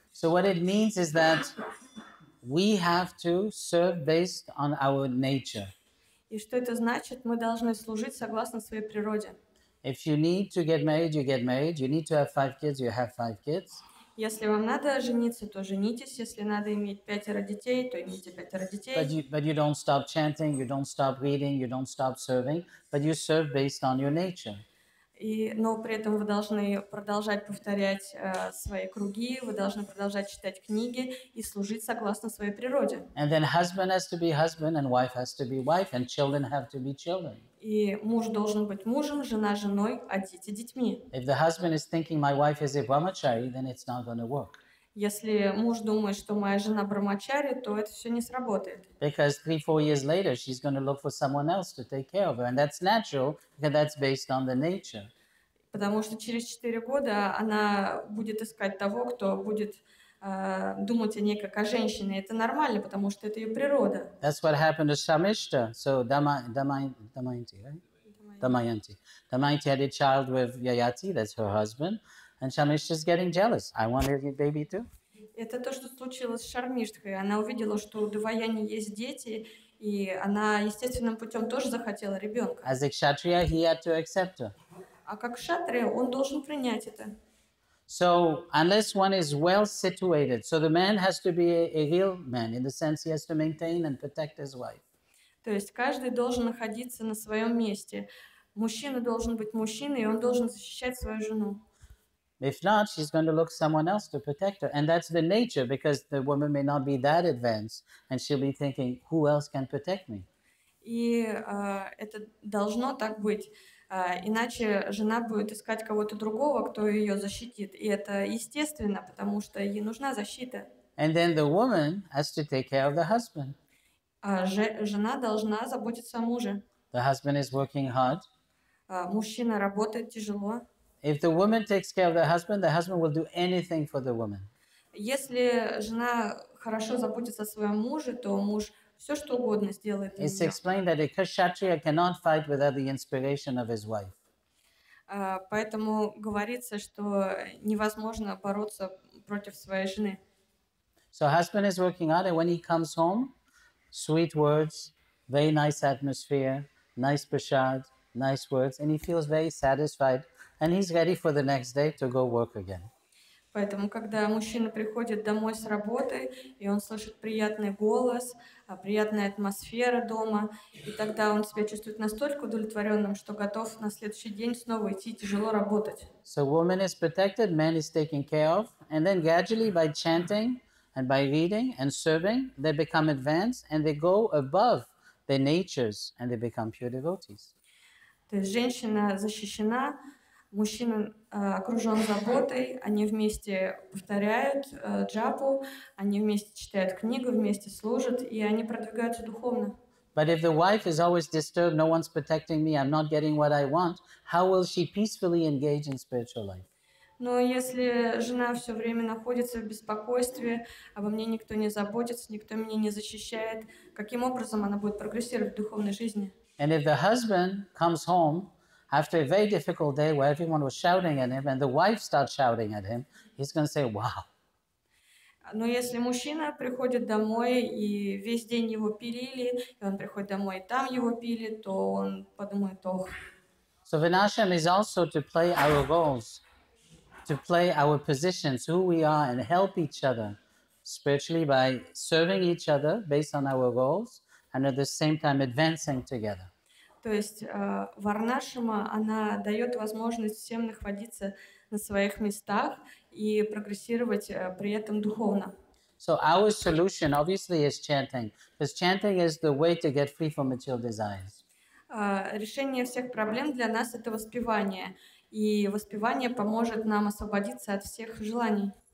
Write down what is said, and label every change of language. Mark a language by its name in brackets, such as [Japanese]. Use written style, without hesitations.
[English] So what it means is that we have to serve based on our nature. [Russian] И что это значит? Мы должны служить согласно своей природе. [English] If you need to get married, you get married. You need to have five kids, you have five kids. [Russian] Если вам надо жениться, то женитесь. Если надо иметь пятеро детей, то имейте пятеро детей. [English] But you don't stop chanting, you don't stop reading, you don't stop serving, but you serve based on your nature. [Russian] Но при этом вы должны продолжать повторять свои круги, вы должны продолжать читать книги и служить согласно своей природе. [English] And then husband has to be husband, and wife has to be wife, and children have to be children. [Russian] И муж должен быть мужем, жена женой, а дети детьми. [English] If the husband is thinking my wife is a brahmachari, then it's not going to work. [Russian] Если муж думает, что моя жена брахмачари, то это все не сработает. [English] Because 3-4 years later, she's going to look for someone else to take care of her, and that's natural, because that's based on the nature. [Russian] Потому что через 4 года она будет искать того, кто будет думать о ней как о женщине. Это нормально, потому что это ее природа. [English] That's what happened to Shamishta. So Damayanti, right? Damayanti. Damayanti had a child with Yayati. That's her husband. And Shamishta is getting jealous. I want a baby too. [Russian] Это то, что случилось с Шармиштхой. Она увидела, что у Даваяни есть дети, и она естественным путем тоже захотела ребенка. [English] As a kshatriya, he had to accept her. [Russian] А как кшатрия, он должен принять это. [English] So unless one is well situated, so the man has to be a real man in the sense he has to maintain and protect his wife. [Russian] То есть каждый должен находиться на своем месте. Мужчина должен быть мужчиной, и он должен защищать свою жену. [English] If not, she's going to look someone else to protect her. And that's the nature, because the woman may not be that advanced, and she'll be thinking, who else can protect me? [Russian] И это должно так быть. Иначе жена будет искать кого-то другого, кто ее защитит. И это естественно, потому что ей нужна защита. [English] And then the woman has to take care of the husband. [Russian] Жена должна заботиться о муже. [English] The husband is working hard. [Russian] Мужчина работает тяжело. [English] If the woman takes care of the husband will do anything for the woman. [Russian] Если жена хорошо заботится о своем муже, то муж все что угодно сделает для нее. [English] It's explained that a kshatriya cannot fight without the inspiration of his wife. [Russian] Поэтому говорится, что невозможно бороться против своей жены. [English] So husband is working hard, and when he comes home, sweet words, very nice atmosphere, nice prasad, nice words, and he feels very satisfied. And he's ready for the next day to go work again. [Russian] Поэтому, когда мужчина приходит домой с работы, и он слышит приятный голос, приятная атмосфера дома, и тогда он себя чувствует настолько удовлетворенным, что готов на следующий день снова идти тяжело работать. [English] So woman is protected, man is taken care of, and then gradually by chanting and by reading and serving, they become advanced and they go above their natures and they become pure devotees. [Russian] То есть женщина защищена, мужчина окружен заботой, они вместе повторяют джапу, они вместе читают книгу, вместе служат, и они продвигаются духовно. [English] But if the wife is always disturbed, no one's protecting me, I'm not getting what I want, how will she peacefully engage in spiritual life? [Russian] Но если жена все время находится в беспокойстве, обо мне никто не заботится, никто меня не защищает, каким образом она будет прогрессировать в духовной жизни? [English] And if the husband comes home after a very difficult day where everyone was shouting at him and the wife starts shouting at him, he's going to say, wow. [Russian] Но если мужчина приходит домой и весь день его пилили, и он приходит домой и там его пили, то он подумает, ох. [English] So Vinashram is also to play our roles, to play our positions, who we are, and help each other spiritually by serving each other based on our roles, and at the same time advancing together. [Russian] То есть Варнашрама, она дает возможность всем находиться на своих местах и прогрессировать при этом духовно. [English] So our solution obviously is chanting, because chanting is the way to get free from material desires. [Russian] Решение всех проблем для нас — это воспевание, и воспевание поможет нам освободиться от всех желаний.